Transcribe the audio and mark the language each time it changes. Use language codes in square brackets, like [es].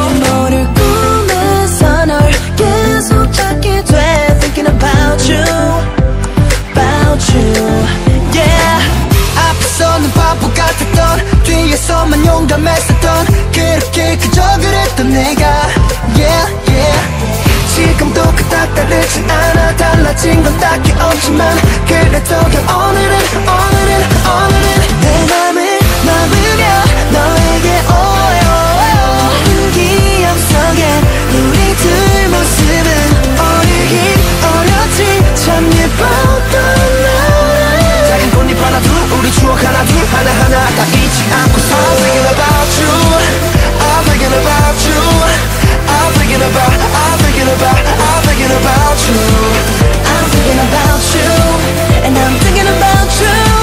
[ko] 이 모든 꿈에서 널 계속 찾게 돼. [en] Thinking about you, about you. Yeah. [ko] 앞에서는 바보 같았던 뒤에서만 용감했었던 그렇게 그저 그랬던 내가. Yeah yeah. 지금도 그닥 다르진 않아. 달라진 건 딱히 없지만 그래도 그냥 오늘은 오늘은 오늘은 내 맘을 먹으려 너에게 오요. 기억 속에 우리 둘 모습은 어리긴 어렸지 참 예뻤던 날. 작은 꽃잎 하나 둘 우리 추억 하나 둘 하나하나 다 잊지 않고서. [en] I'm thinking about you, I'm thinking about you, I'm thinking about, I'm thinking about, I'm thinking about you. I'm thinking about you, and I'm thinking about you.